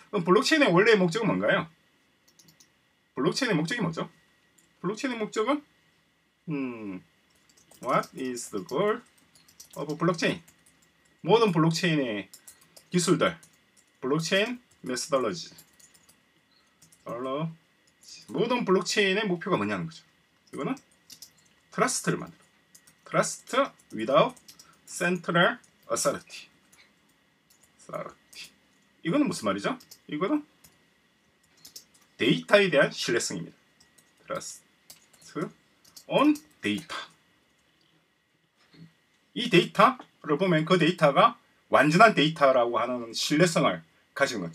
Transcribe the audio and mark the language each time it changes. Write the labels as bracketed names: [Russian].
[Korean] 그럼 블록체인의 원래의 목적은 뭔가요? 블록체인의 목적이 뭐죠? 블록체인의 목적은 [English] What is the goal of blockchain? [Korean] 모든 블록체인의 기술들, 블록체인 methodology, 모든 블록체인의 목표가 뭐냐는 거죠. 이거는 트러스트를 만들어. [English] Trust without central authority. [Korean] 이거는 무슨 말이죠? 이거는 데이터에 대한 신뢰성입니다. [English] Trust on data. [Korean] 이 데이터를 보면 그 데이터가 완전한 데이터라고 하는 신뢰성을 가지는 것.